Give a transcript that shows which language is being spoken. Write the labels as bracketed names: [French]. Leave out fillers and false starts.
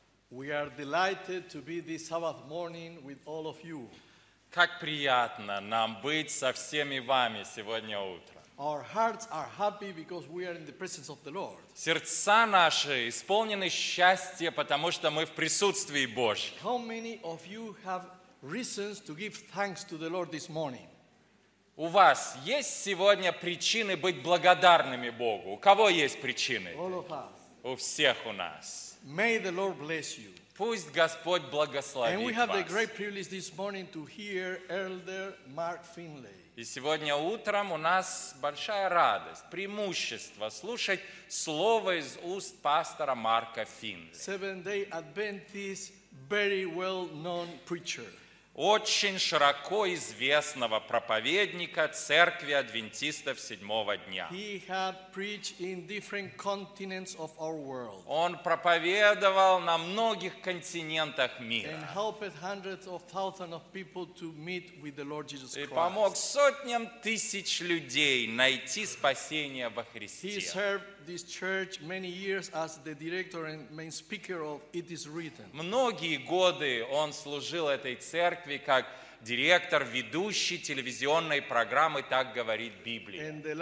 [English] We are delighted to be this Sabbath morning with all of you. [Russian] Как приятно нам быть со всеми вами сегодня утром. [English] Our hearts are happy because we are in the presence of the Lord. [Russian] Сердца наши исполнены счастья, потому что мы в присутствии Божьем. [English] How many of you have reasons to give thanks to the Lord this morning? [Russian] У вас есть сегодня причины быть благодарными Богу? У кого есть причины? [English] All of us. [Russian] У всех у нас. [English] May the Lord bless you. [Russian] Пусть Господь благословит вас. [English] And we have the great privilege this morning to hear Elder Mark Finlay. [Russian] И сегодня утром у нас большая радость, преимущество слушать слово из уст пастора Марка Финлей. [English] Seventh-day Adventist, very well-known preacher. [Russian] Очень широко известного проповедника Церкви Адвентистов Седьмого Дня. [English] He had preached in different continents of our world. [Russian] Он проповедовал на многих континентах мира. [English] And helped hundreds of thousands of people to meet with the Lord Jesus Christ. [Russian] И помог сотням тысяч людей найти спасение во Христе. [English] He served this church many years as the director and main speaker of It Is Written. [Russian] Многие годы он служил этой церкви как директор ведущей телевизионной программы «Так говорит Библия».